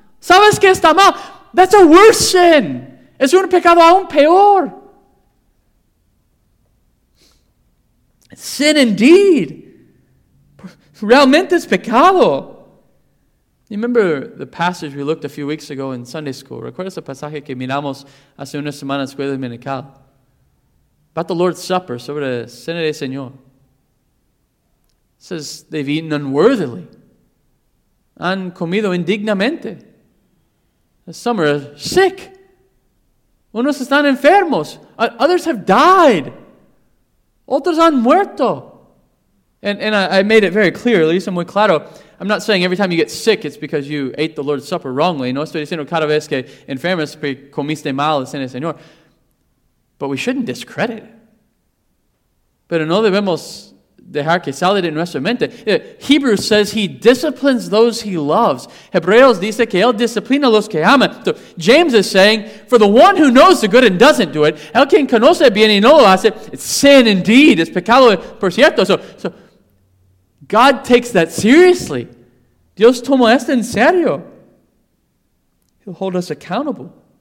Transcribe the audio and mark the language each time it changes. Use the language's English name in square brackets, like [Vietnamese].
[Spanish] Sabes que está mal. [English] That's a worse sin. [Spanish] Es un pecado aún peor. [English] Sin indeed. [Spanish] Realmente es pecado. [English] You remember the passage we looked a few weeks ago in Sunday school? [Spanish] ¿Recuerdas el pasaje que miramos hace una semana en escuela dominical? [English] About the Lord's Supper, [Spanish] sobre la cena del Señor. [English] It says they've eaten unworthily. [Spanish] Han comido indignamente. [English] Some are sick. [Spanish] Unos están enfermos. [English] Others have died. [Spanish] Otros han muerto. [English] And I made it very clear, [Spanish] lo hice muy claro. [English] I'm not saying every time you get sick, it's because you ate the Lord's Supper wrongly. [Spanish] No estoy diciendo cada vez que enfermas porque comiste mal la cena del Señor. [English] But we shouldn't discredit. [Spanish] Pero no debemos dejar que salga de nuestra mente. [English] Hebrews says he disciplines those he loves. [Spanish] Hebreos dice que él disciplina los que ama. [English] So James is saying, for the one who knows the good and doesn't do it, [Spanish] el quien conoce bien y no lo hace, [English] it's sin indeed. [Spanish] Es pecado por cierto. [English] So God takes that seriously. [Spanish] Dios toma esto en serio. [English] He'll hold us accountable.